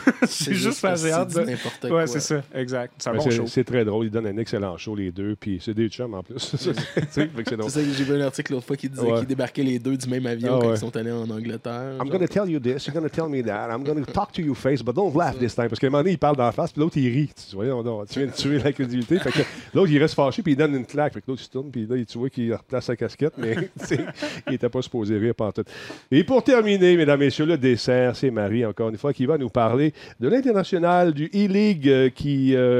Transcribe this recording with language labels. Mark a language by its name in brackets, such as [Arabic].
[French] C'est juste parce que j'ai hâte de. C'est n'importe quoi. Ouais, c'est ça, exact. C'est un bon show. C'est très drôle, ils donnent un excellent show, les deux, puis c'est des chums en plus. c'est ça, j'ai vu un article l'autre fois qui disait qu'ils débarquaient les deux du même avion quand ils sont allés en Angleterre. [English] I'm going to tell you this, you're going to tell me that, I'm going to talk to you face, but don't laugh this time. [French] Parce qu'à un moment donné, il parle d'en face, puis l'autre, il rit. Tu vois, tu viens de tuer la crédibilité. Fait que l'autre, il reste fâché, puis il donne une claque. Fait que l'autre, il se tourne, puis là, tu vois qu'il replace sa casquette, mais il n'était pas supposé rire partout. Et pour terminer, mesdames, messieurs, le dessert, c'est Marie, encore une fois, qui va nous parler de l'international, du E-League, qui.